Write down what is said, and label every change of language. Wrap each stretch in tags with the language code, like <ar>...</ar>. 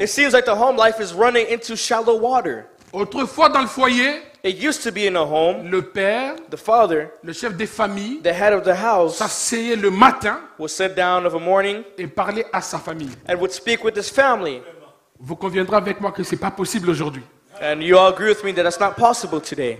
<en>It seems like the home life is running into shallow water.</en> <fr>Autrefois dans le foyer,</fr> <en>it used to be in a home,</en> <fr>le père,</fr> <en>the father,</en> <fr>le chef des familles,</fr> <en>the head of the house,</en> <fr>s'asseyait le matin,</fr> <en>would sit down of a morning,</en> <fr>et parlait à sa famille.</fr> <en>And would speak with his family.</en> <fr>Vous conviendrez avec moi que c'est pas possible aujourd'hui.</fr> <en>And you all agree with me that that's not possible today.</en>